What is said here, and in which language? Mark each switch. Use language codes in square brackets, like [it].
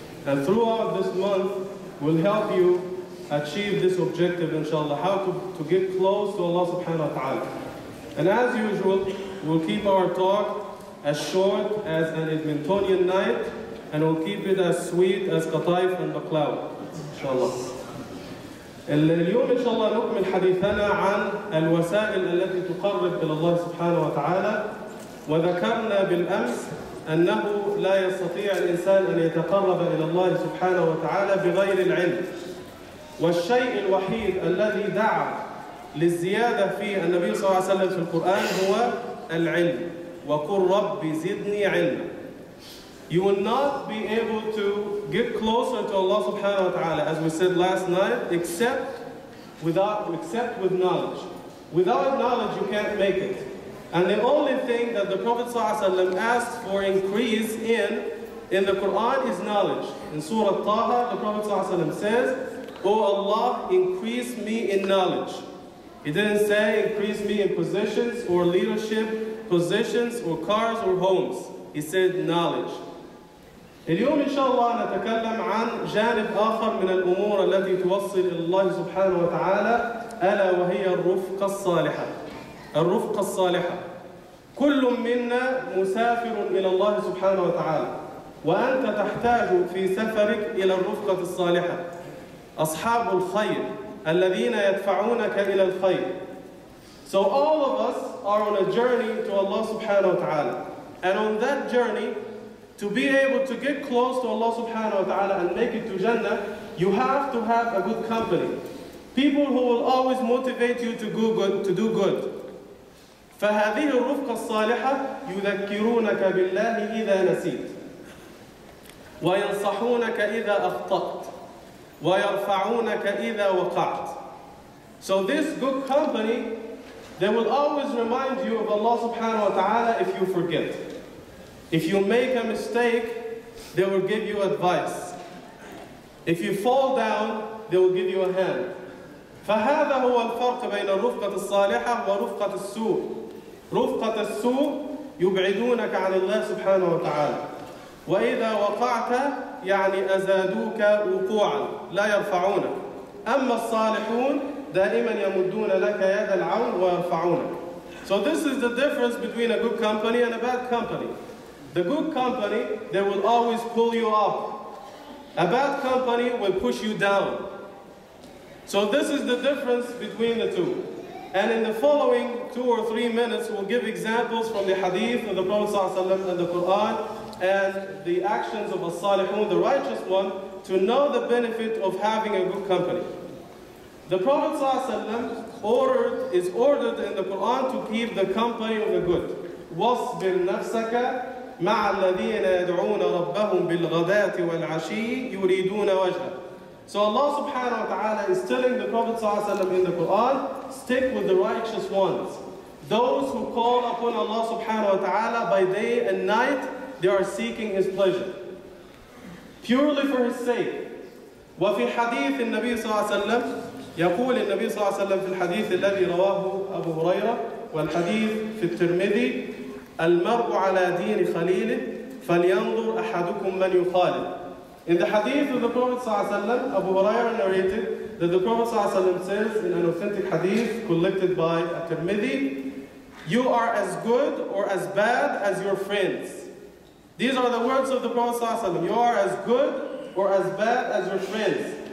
[en] And throughout this month we'll help you achieve this objective inshallah, how to get close to Allah subhanahu wa ta'ala. And as usual, we'll keep our talk as short as an Edmontonian night, and we'll keep it as sweet as qataif and baklava, inshallah. [ar] اليوم إن شاء الله نكمل حديثنا عن الوسائل التي تقرب إلى الله سبحانه وتعالى وذكرنا بالأمس أنه لا يستطيع الإنسان أن يتقرب إلى الله سبحانه وتعالى بغير العلم والشيء الوحيد الذي دعا للزيادة في النبي صلى الله عليه وسلم في القرآن هو العلم وقل رب زدني علما. [en] You will not be able to get closer to Allah subhanahu wa ta'ala, as we said last night, except with knowledge. Without knowledge, you can't make it. And the only thing that the Prophet asked for increase in the Quran is knowledge. In Surah Taha, the Prophet says, O Allah, increase me in knowledge. He didn't say increase me in positions or leadership, positions or cars or homes. He said knowledge. [ar] اليوم إن شاء الله نتكلم عن جانب آخر من الأمور التي توصل إلى الله سبحانه وتعالى ألا وهي الرفقة الصالحة. الرفقة الصالحة كل منا مسافر إلى الله سبحانه وتعالى وأنت تحتاج في سفرك إلى الرفقة الصالحة أصحاب الخير الذين يدفعونك إلى الخير. [en] So all of us are on a journey to Allah subhanahu wa ta'ala, and on that journey, to be able to get close to Allah subhanahu wa ta'ala and make it to Jannah, you have to have a good company. People who will always motivate you to do good. [ar] فهذه الرفقة الصالحة يذكرونك بالله إذا نسيت وينصحونك إذا أخطأت ويرفعونك إذا وقعت. [en] So this good company, they will always remind you of Allah subhanahu wa ta'ala if you forget. If you make a mistake, they will give you advice. If you fall down, they will give you a hand. [ar] فهذا هو الفرق بين الرفقة الصالحة ورفقة السوء. رفقة السوء يبعدونك عن الله سبحانه وتعالى. وإذا وقعت يعني أزادوك وقوعا لا يرفعونك. أما الصالحون دائما يمدون لك يد العون ويرفعونك. [en] So this is the difference between a good company and a bad company. The good company, they will always pull you up. A bad company will push you down. So this is the difference between the two. And in the following 2 or 3 minutes, we'll give examples from the hadith of the Prophet ﷺ and the Quran and the actions of as-salihun, the righteous one, to know the benefit of having a good company. The Prophet ﷺ is ordered in the Quran to keep the company of the good. [ar] وَاصْبِرْ نَفْسَكَ مع الذين يدعون ربهم بالغداة والعشي يريدون وجهه. [en] So Allah subhanahu wa ta'ala is telling the Prophet sallallahu alaihi wasallam in the Quran, stick with the righteous ones. Those who call upon Allah subhanahu wa ta'ala by day and night, they are seeking His pleasure. Purely for His sake. [ar] وفي حديث النبي صلى الله عليه وسلم يقول النبي صلى الله عليه وسلم في الحديث الذي رواه أبو هريرة والحديث في الترمذي المرء على دين خليله فلينظر أحدكم من يخالف. [en] In the hadith of the Prophet ﷺ, Abu Huraira narrated that the Prophet ﷺ says in an authentic hadith collected by At-Tirmidhi, you are as good or as bad as your friends. These are the words of the Prophet ﷺ. You are as good or as bad as your friends.